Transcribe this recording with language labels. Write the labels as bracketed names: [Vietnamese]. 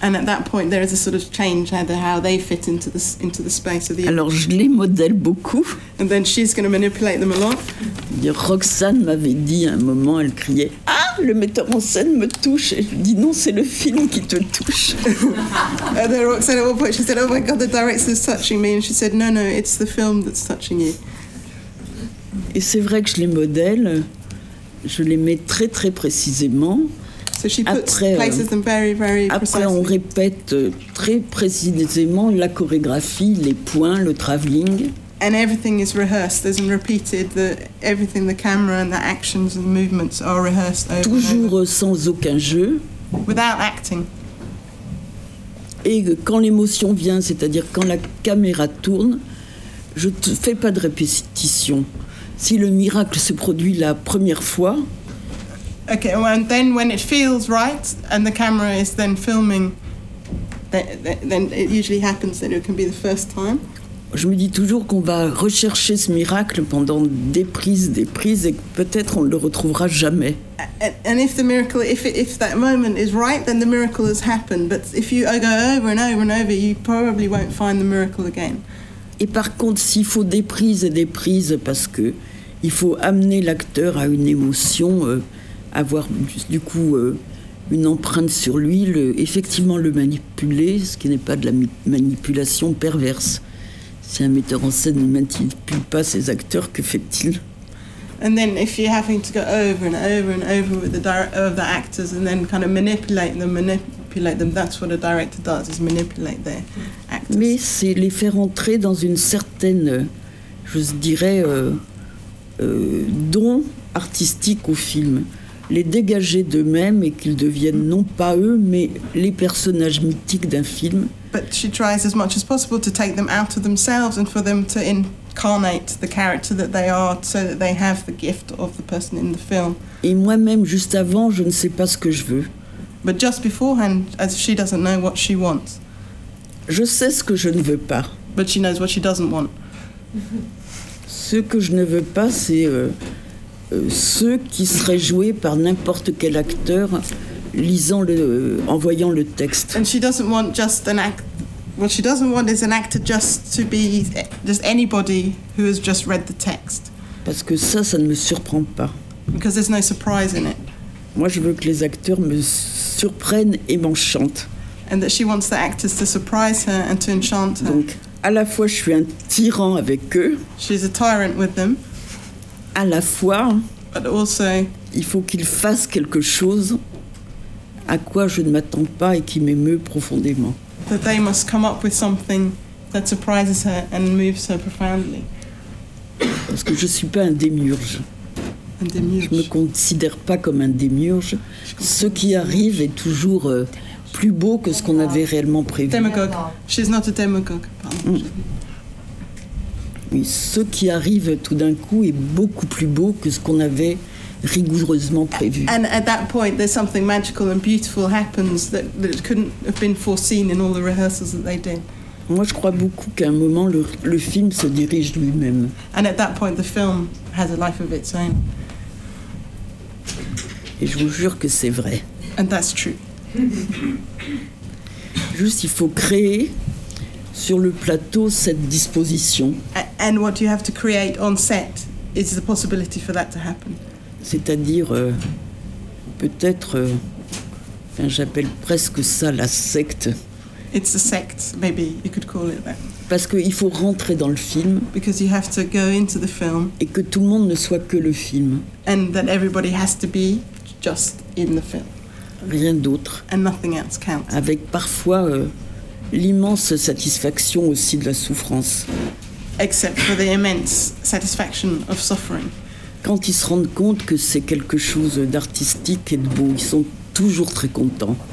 [English] And at that point, there is a sort of change either how they fit into the space of the. [French] Alors, je les modèle beaucoup. [English] And then she's going to manipulate them a lot. [French] Roxane m'avait dit à un moment, elle criait « Ah, le metteur en scène me touche !» Et je lui dis « Non, c'est le film qui te touche !» [English] And then Roxane, at one point, she said « Oh my God, the director is touching me !» And she said « No, it's the film that's touching you !» [French] Et c'est vrai que je les modèle, je les mets très très précisément. [English] So she places them very, very precisely. [French] Après, on répète très précisément la chorégraphie, les points, le travelling. [English] And everything is rehearsed, isn't repeated. Everything, the camera and the actions and the movements are rehearsed over. [French] Toujours [English] and over. [French] Sans aucun jeu. [English] Without acting. [French] Et quand l'émotion vient, c'est-à-dire quand la caméra tourne, je ne fais pas de répétition. Si le miracle se produit la première fois. [English] Okay, well, and then when it feels right and the camera is then filming, then it usually happens that it can be the first time. [French] Je me dis toujours qu'on va rechercher ce miracle pendant des prises, et que peut-être on ne le retrouvera jamais. [English] And if the miracle, if that moment is right, then the miracle has happened. But if you go over and over and over, you probably won't find the miracle again. [French] Et par contre, s'il faut des prises et des prises, parce que il faut amener l'acteur à une émotion, avoir du coup une empreinte sur lui, effectivement le manipuler, ce qui n'est pas de la manipulation perverse. Si un metteur en scène ne manipule pas ses acteurs, que fait-il? [English] And then if you're having to go over and over and over with the actors and then kind of manipulate them, that's what a director does, is manipulate their actors. [French] Mais c'est les faire entrer dans une certaine, je dirais, don artistique au film. Les dégager d'eux-mêmes et qu'ils deviennent non pas eux, mais les personnages mythiques d'un film. [English] But she tries as much as possible to take them out of themselves and for them to incarnate the character that they are so that they have the gift of the person in the film. [French] Et moi-même, juste avant, je ne sais pas ce que je veux. [English] But just beforehand, as she doesn't know what she wants. [French] Je sais ce que je ne veux pas. [English] But she knows what she doesn't want. [French] Ce que je ne veux pas, c'est ceux qui seraient joués par n'importe quel acteur lisant en voyant le texte. [English] And she doesn't want just an act. What she doesn't want is an actor just anybody who has just read the text. [French] Parce que ça ne me surprend pas. [English] Because there's no surprise in it. [French] Moi, je veux que les acteurs me surprennent et m'enchantent. [English] And that she wants the actors to surprise her and to enchant her. [French] Donc, à la fois, je suis un tyran avec eux. [English] She's a tyrant with them. [French] À la fois, [English] but also [French] il faut qu'il fasse quelque chose à quoi je ne m'attends pas et qui m'émeut profondément. [English] That they must come up with something that surprises her and moves her profoundly. [French] Parce que je suis pas un démiurge. Un démiurge. Je me considère pas comme un démiurge. Ce qui arrive est toujours plus beau que ce qu'on avait réellement prévu. [English] Demagogue. She's not a demagogue. [French] Oui, ce qui arrive tout d'un coup est beaucoup plus beau que ce qu'on avait rigoureusement prévu. [English] And at that point, there's something magical and beautiful happens that couldn't have been foreseen in all the rehearsals that they did. [French] Moi, je crois beaucoup qu'à un moment, le film se dirige lui-même. [English] And at that point, the film has a life of its own. [French] Et je vous jure que c'est vrai. [English] And that's true. [French] Juste, il faut créer sur le plateau cette disposition. [English] And what you have to create on set is the possibility for that to happen. [French] C'est-à-dire, peut-être, j'appelle presque ça la secte. [English] It's a sect, maybe you could call it that. [French] Parce qu'il faut rentrer dans le film. [English] Because you have to go into the film. [French] Et que tout le monde ne soit que le film. [English] And that everybody has to be just in the film. [French] Rien d'autre. [English] And nothing else counts. [French] Avec parfois l'immense satisfaction aussi de la souffrance. [English] Except for the immense satisfaction of suffering. [French] Quand ils se rendent compte que c'est quelque chose d'artistique et de beau, ils sont toujours très contents.